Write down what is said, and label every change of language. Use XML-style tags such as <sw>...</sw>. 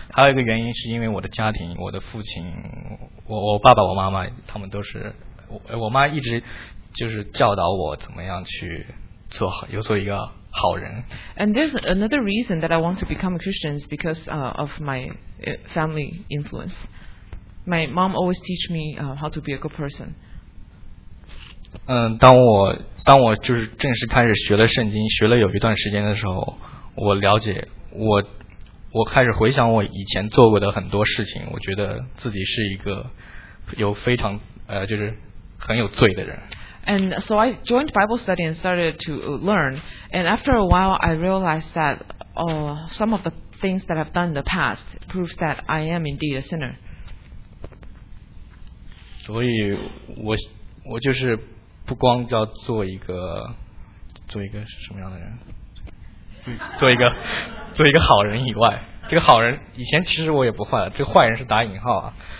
<zh>还有一个原因是因为我的家庭，我的父亲，我爸爸，我妈妈，他们都是我妈一直就是教导我怎么样去做好，有做一个。</zh> <en>And there's another reason that I want to become a Christian is because of my family influence. My mom always teach me how to be a good person.</en> <zh>当我就是正式开始学了圣经，学了有一段时间的时候，我了解我开始回想我以前做过的很多事情，我觉得自己是一个有非常就是很有罪的人。</zh> <en>And so I joined Bible study and started to learn. And after a while, I realized that some of the things that I've done in the past proves that I am indeed a sinner.</en> <zh>所以我就是不光叫做一个什么样的人，做一个好人以外，这个好人以前其实我也不坏，这个坏人是打引号啊。</zh>